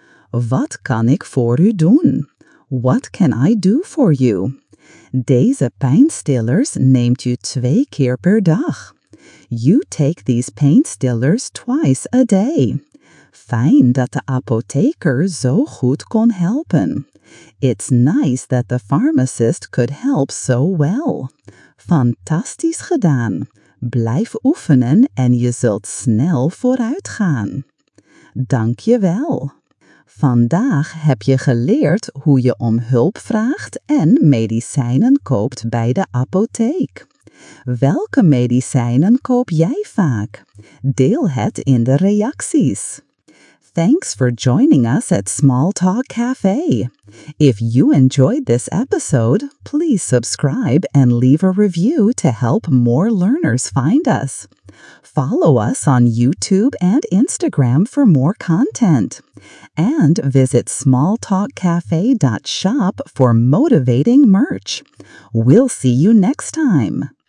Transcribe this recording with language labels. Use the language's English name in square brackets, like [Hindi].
[Dutch] Wat kan ik voor u doen? [English] What can I do for you? [Dutch] Deze pijnstillers neemt u 2 keer per dag. [English] You take these painstillers twice a day. [Dutch] Fijn dat de apotheker zo goed kon helpen. [English] It's nice that the pharmacist could help so well. [Dutch] Fantastisch gedaan. Blijf oefenen en je zult snel vooruit gaan. Dank je wel. Vandaag heb je geleerd hoe je om hulp vraagt en medicijnen koopt bij de apotheek. Welke medicijnen koop jij vaak? Deel het in de reacties. [English] Thanks for joining us at Small Talk Cafe. If you enjoyed this episode, please subscribe and leave a review to help more learners find us. Follow us on YouTube and Instagram for more content. And visit smalltalkcafe.shop for motivating merch. We'll see you next time.